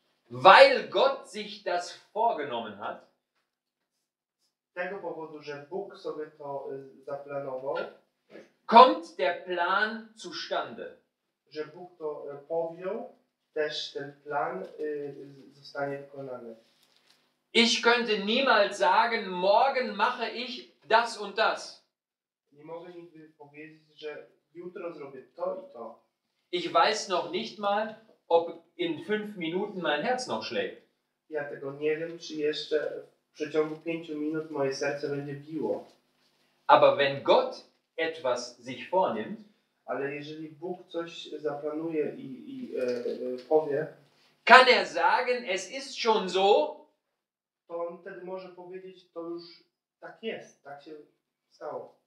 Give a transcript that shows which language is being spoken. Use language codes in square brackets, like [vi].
[de] Weil Gott sich das vorgenommen hat. [pl] Z tego powodu, że Bóg sobie to zaplanował. [de] Kommt der Plan zustande. [pl] Że Bóg to powiął, też ten plan zostanie wykonany. [de] Ich könnte niemals sagen, morgen mache ich das und das. [pl] Nie mogę nigdy powiedzieć, że jutro zrobię to i to. [de] Ich weiß noch nicht mal, ob in 5 Minuten mein Herz noch schlägt. [pl] Ja tego nie wiem, czy jeszcze w przeciągu 5 minut moje serce będzie biło. [de] Aber wenn Gott etwas sich vornimmt, [pl] ale jeżeli Bóg coś zaplanuje i powie, [de] kann er sagen, es ist schon so, [pl] to on wtedy może powiedzieć, to już tak jest, tak się stało.